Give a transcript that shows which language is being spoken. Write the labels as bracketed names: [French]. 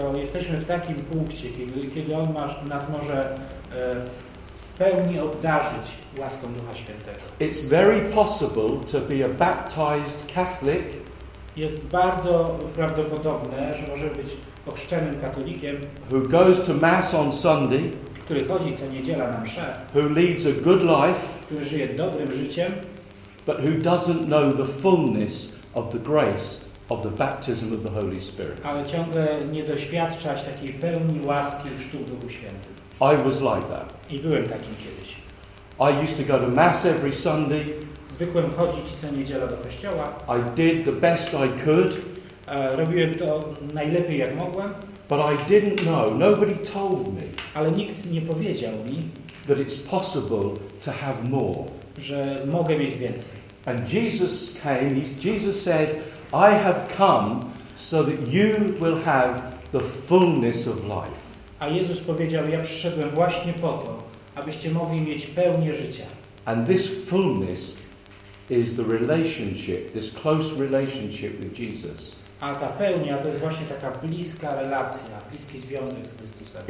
[Polish] To jesteśmy w takim punkcie, kiedy on nas może pełni obdarzyć łaską Ducha Świętego. [English] It's very possible to be a baptized Catholic. [Polish] Jest bardzo prawdopodobne, że może być ochrzczonym katolikiem, [English] who goes to mass on Sunday, [Polish] który chodzi co niedziela na mszę, [English] who leads a good life, [Polish] który żyje dobrym życiem, [English] but who doesn't know the fullness of the grace of the baptism of the Holy Spirit. [Polish] Ale ciągle nie doświadcza takiej pełni łaski chrztu w Duchu Świętym. [English] I was like that. [Polish] I byłem takim kiedyś. [English] I used to go to mass every Sunday. [Polish] Zwykłem chodzić co niedziela do kościoła. [English] I did the best I could. [Polish] Robiłem to najlepiej jak mogłem. [English] But I didn't know. Nobody told me. [Polish] Ale nikt nie powiedział mi, [English] that it's possible to have more. [Polish] Że mogę mieć więcej. [English] And Jesus came. Jesus said, I have come so that you will have the fullness of life. [Polish] A Jezus powiedział, ja przyszedłem właśnie po to, abyście mogli mieć pełnię życia. [English] And this fullness is the relationship, this close relationship with Jesus. [Polish] A ta pełnia to jest właśnie taka bliska relacja, bliski związek z Chrystusem.